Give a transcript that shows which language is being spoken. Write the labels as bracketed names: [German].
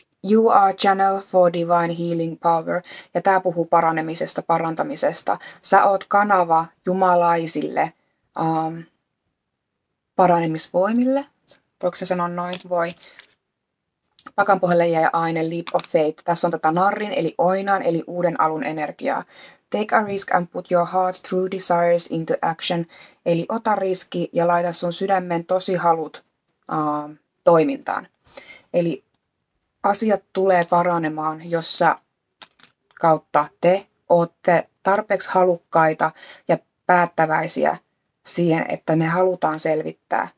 [English] You are channel for divine healing power. [Finnish] Ja tämä puhuu paranemisesta, parantamisesta. Sä oot kanava jumalaisille paranemisvoimille. Voiko se sanoa noin? Voi. Pakan pohjalle jäi aine, leap of faith. Tässä on tätä narrin, eli oinaan, eli uuden alun energiaa. [English] Take a risk and put your heart's true desires into action. [Finnish] Eli ota riski ja laita sun sydämen tosi halut toimintaan. Eli asiat tulee paranemaan, jos sä kautta te ootte tarpeeksi halukkaita ja päättäväisiä siihen, että ne halutaan selvittää.